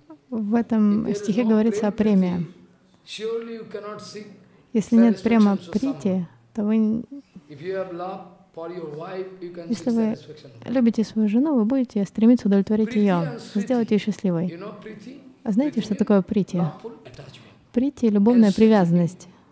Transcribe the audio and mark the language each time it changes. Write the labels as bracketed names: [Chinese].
[Russian] В этом стихе говорится о преме. [English] Surely you cannot seek. [Russian] Если нет према прити, то вы. [English] If you have love for your wife, you can. [Russian] Если вы любите свою жену, вы будете стремиться удовлетворить ее, сделать ее счастливой. [English] You know прити? [Russian] А знаете, что такое прити? Прити — любовная привязанность.